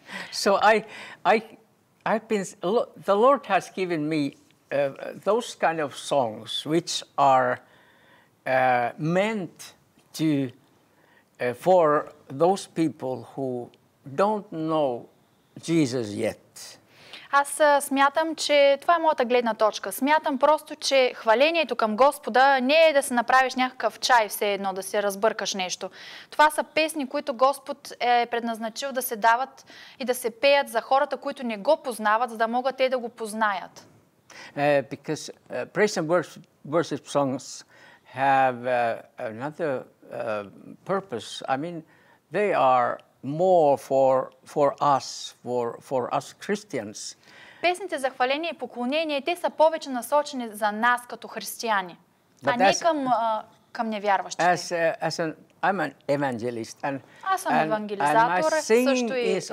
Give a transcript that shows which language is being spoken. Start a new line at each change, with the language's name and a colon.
English: So I've been, the Lord has given me those kind of songs which are meant to for those people who don't know Jesus yet.
Bulgarian: Аз смятам, че това е моята гледна точка. Смятам просто, че хвалението към Господа не е да се направиш някакъв чай, все едно да се разбъркаш нещо. Това са песни, които Господ е предназначил да се дават и да се пеят за хората, които не го познават, за да могат те да го познаят.
English: Because praise and worship songs have another purpose. I mean, they are more for us Christians.
Bulgarian: Песните за хваление и поклонение, те са повече насочени за нас като християни, а не към невярващите.
English: I'm an evangelist and
Bulgarian: аз съм евангелизатор, също и евангелист.